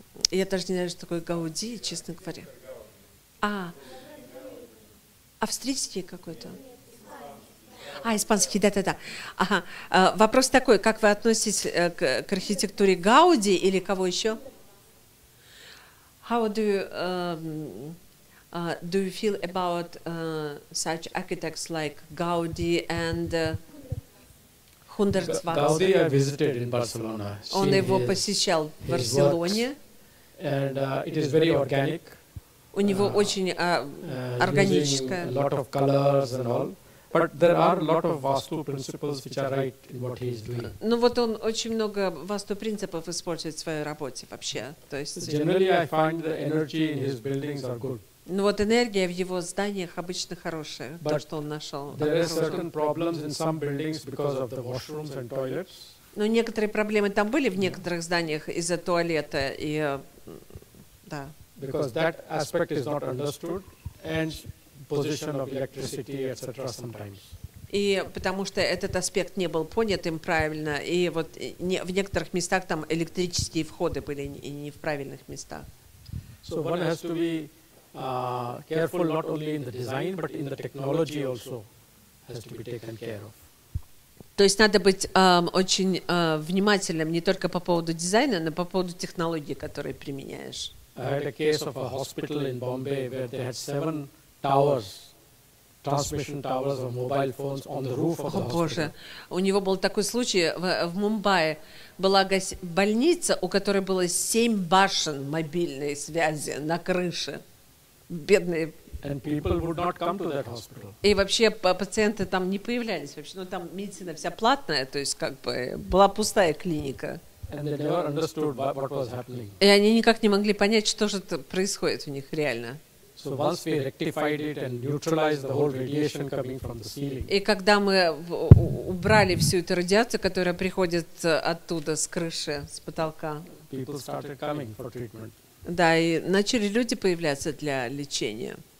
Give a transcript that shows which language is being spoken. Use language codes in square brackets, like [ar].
[ru] Я даже не знаю, что такое Гауди, честно говоря. А, австрийский какой-то? А, испанский, да-да-да. Ага. Вопрос такой, как вы относитесь к архитектуре Гауди или кого еще? [en] How do you... do you feel about such architects like Gaudi and Hundertwasser? Gaudi I visited in Barcelona. [ru] Он его посещал в Барселоне. [en] And it is very organic. [ru] У него очень органическое. [en] Using a lot of colors and all. But there are a lot of vastu principles which are right in what he is doing. [ru] Ну вот он очень много vastu принципов использует в своей работе вообще. То есть [en] generally I find the energy in his buildings are good. [ru] Ну вот энергия в его зданиях обычно хорошая, то что он нашел. [en] There are certain problems in some buildings because of the washrooms and toilets. [ru] Но некоторые проблемы там были в некоторых зданиях из-за туалета и да. [en] Because that aspect is not understood and position of electricity, etc. Sometimes. [ru] И потому что этот аспект не был понят им правильно, и вот в некоторых местах там электрические входы были и не в правильных местах. [en] So one has to be careful not only in the design but in the technology also has to be taken care of. [ru] То есть надо быть очень внимательным не только по поводу дизайна, но по поводу технологии, которые применяешь. [en] I had a case of a hospital in Bombay where they had 7 towers, transmission towers of mobile phones on the roof of the hospital. [ru] О боже, у него был такой случай в Мумбаи. Была больница, у которой было 7 башен мобильной связи на крыше. Бедные. [en] And people would not come to that hospital. [ru] И вообще пациенты там не появлялись вообще. Ну там медицина вся платная, то есть как бы была пустая клиника. [en] And they never understood what was happening. [ru] И они никак не могли понять, что же происходит у них реально. [en] So once we rectified it and neutralized the whole radiation coming from the ceiling. [ru] И когда мы убрали всю эту радиацию, которая приходит оттуда, с крыши, с потолка. [en] People started coming for treatment. [ru] Да, и начали люди появляться для лечения.